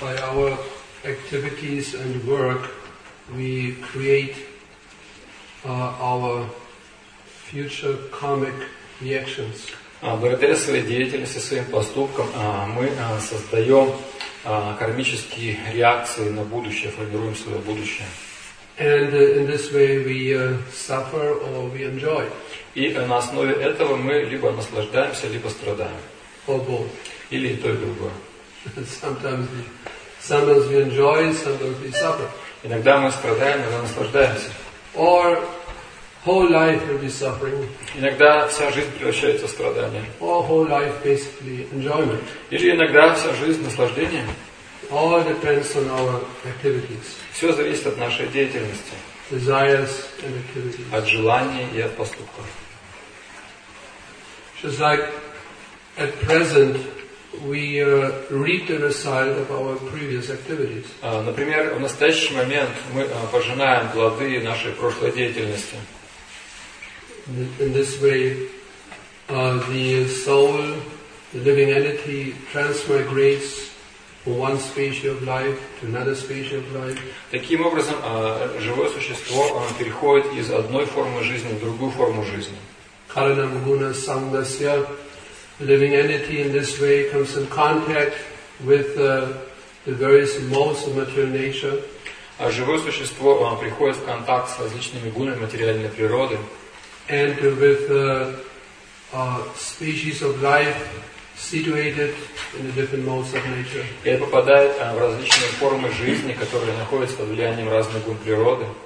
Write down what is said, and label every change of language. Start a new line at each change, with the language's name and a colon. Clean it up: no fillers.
English: By our activities and work, we create our future karmic reactions.
Russian: Благодаря своей деятельности, своим поступкам, мы создаем кармические реакции на будущее, формируем свое будущее.
English: And in this way we suffer or we enjoy.
Russian: И на основе этого мы либо наслаждаемся, либо страдаем.
English: Or both.
Russian: Или и то, и другое.
English: Sometimes we enjoy, sometimes we suffer.
Russian: Иногда мы страдаем, иногда наслаждаемся.
English: Or whole life will be suffering.
Russian: Иногда вся жизнь превращается в страдание.
English: Or whole life basically enjoyment.
Russian: Или иногда вся жизнь наслаждением.
English: All depends on our activities.
Russian: Все зависит от нашей деятельности,
English: desires and activities.
Russian: От желаний и от поступков.
English: Just like at present, we reap the result of our previous activities.
Russian: Например, в настоящий момент мы пожинаем плоды нашей прошлой деятельности.
English: In this way, the soul, the living entity, transmigrates. One species of life to another species of life.
Russian: Таким образом, живое существо переходит из одной формы жизни в другую форму жизни.
Sanskrit: Karanam guna sangasya,
English: living entity in this way comes in contact with the various modes of material nature.
Russian: А живое существо приходит в контакт с различными гунами материальной природы.
English: And with species of life. Situated in the different modes of nature.
Russian: И попадает в различные формы жизни, которые находятся под влиянием разных гун природы.